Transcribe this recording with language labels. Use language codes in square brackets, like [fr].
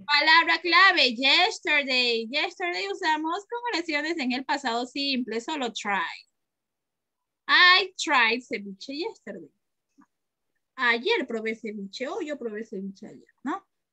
[es] Palabra clave, yesterday. Yesterday usamos como oraciones en el pasado simple, solo try. [en] I tried ceviche yesterday. [es] Ayer probé ceviche, hoy yo probé ceviche ayer, ¿no?